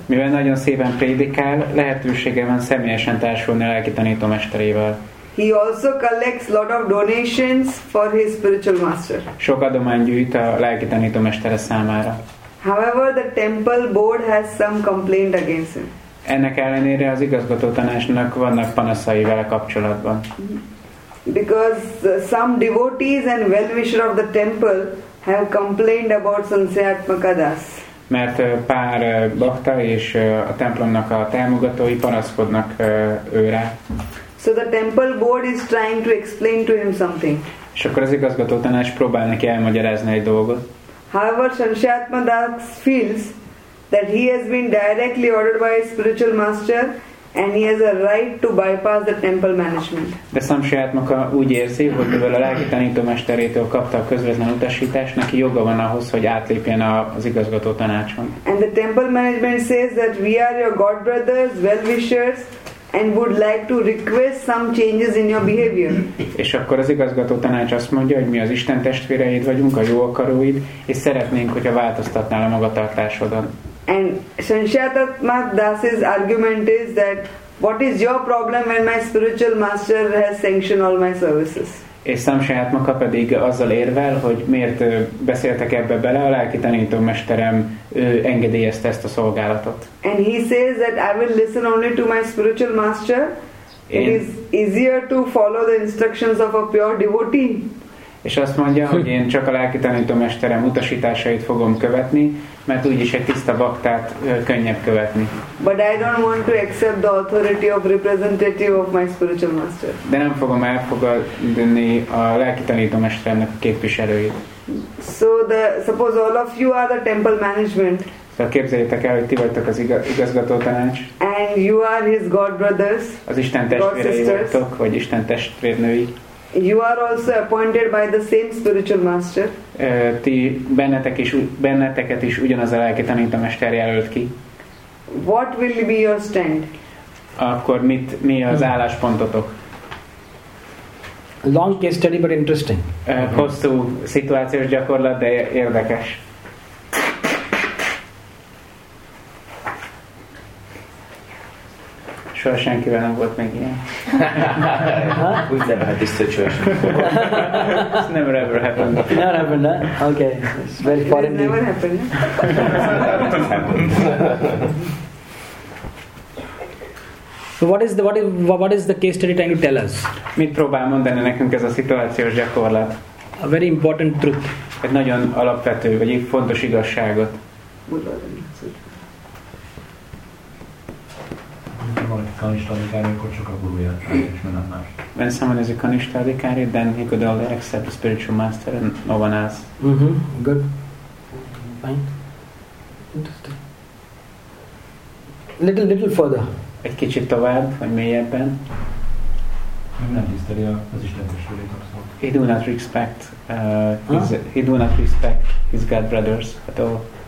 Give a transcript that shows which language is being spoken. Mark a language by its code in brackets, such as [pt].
[hu] Mivel nagyon szépen prédikál, lehetősége van személyesen társulni a lelki tanító mesterével. [en] He also collects lot of donations for his spiritual master. [hu] Sok adományt gyűjt a lelki tanító mestere számára. [en] However, the temple board has some complaint against him. [hu] Ennek ellenére az igazgató tanácsnak vannak panaszai vele kapcsolatban. [en] Because some devotees and well-wisher of the temple have complained about Sanshayatmaka Das. [hu] Mert pár bakta és a templomnak a támogatói panaszkodnak őre. [en] So the temple board is trying to explain to him something. [hu] És akkor az igazgató tanács próbál neki elmagyarázni egy dolgot. [en] However, Sanshayatmaka Das feels that he has been directly ordered by his spiritual master, and he has a right to bypass the temple management. [hu] De Sanshayatmaka úgy érzi, hogy mivel a lelki tanító mesterétől kapta a közvetlen utasítást, neki joga van ahhoz, hogy átlépjen az igazgató tanácson. [en] And the temple management says that we are your god brothers, well-wishers, and would like to request some changes in your behavior. [hu] És akkor az igazgató tanács azt mondja, hogy mi az Isten testvéreid vagyunk, a jó akaróid, és szeretnénk, hogyha változtatnál a magatartásodon. [en] And Sanshayatmaka Das's argument is that what is your problem when my spiritual master has sanctioned all my services? [hu] És Sanshayatmaka pedig azzal érvel, hogy miért beszéltek ebbe bele, a lelki tanító mesterem engedélyezte ezt a szolgálatot. [en] And he says that I will listen only to my spiritual master. It is easier to follow the instructions of a pure devotee. [hu] És azt mondja, hogy én csak a lelki tanító mesterem utasításait fogom követni, mert úgyis egy tiszta baktát könnyebb követni. [en] But I don't want to accept the authority of representative of my spiritual master. [hu] De nem fogom elfogadni a lelki tanító mesteremnek a képviselőit. [en] So the suppose all of you are the temple management. [hu] Szóval képzeljétek el, hogy ti vagytok az igazgató tanács. [en] And you are his god brothers. [hu] Az Isten testvérei vagytok, vagy Isten testvérnői. [en] You are also appointed by the same spiritual master. [hu] Ti benneteket is ugyanaz a lelki tanítomester jelölt ki. [en] what will be your stand? [hu] Akkor mit, mi az álláspontotok? [en] Long case study, but interesting. [hu] Hosszú szituációs gyakorlat, de érdekes. Soha senkivel nem volt meg ilyen. Úgy nem lehet is szöcsősen. [en] Never ever happened. Never happened, eh? Okay. It's very foreign. It never happened. So what is the case study trying to tell us? [hu] Mit próbál mondani nekünk ez a szituációs gyakorlat? [en] A very important truth. [hu] Egy nagyon alapvető, vagy egy fontos igazságot. [en] When someone is a Kanishtha adhikari, then he could only accept the spiritual master and no one else. Mm-hmm. Good. Fine. Interesting. Little further. [hu] Egy kicsit tovább, vagy mélyebben. Nem tiszteli az Isten testvéreit. [en] He do not respect he do not respect his god brothers at all.